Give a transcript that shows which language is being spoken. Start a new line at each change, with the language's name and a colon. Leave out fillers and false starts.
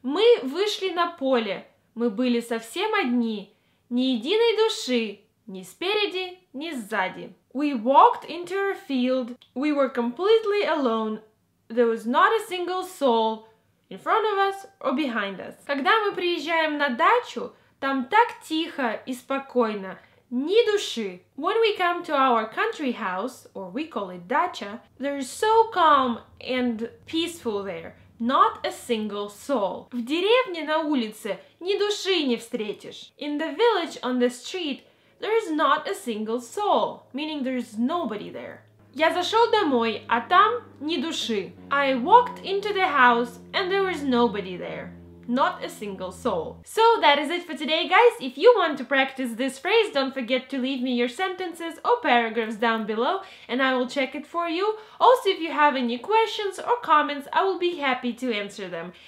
Russian: Мы вышли на поле. Мы были совсем одни. Ни единой души. Ни спереди, ни сзади.
English: We walked into a field. We were completely alone. There was not a single soul in front of us or behind us.
Russian: Когда мы приезжаем на дачу, там так тихо и спокойно. Ни души.
English: When we come to our country house, or we call it dacha, there is so calm and peaceful there. Not a single soul.
Russian: В деревне на улице ни души не встретишь.
English: In the village on the street, there is not a single soul. Meaning there is nobody there.
Russian: Я зашел домой, а там ни души.
English: I walked into the house and there was nobody there. Not a single soul. So that is it for today, guys. If you want to practice this phrase, don't forget to leave me your sentences or paragraphs down below and I will check it for you. Also, if you have any questions or comments, I will be happy to answer them.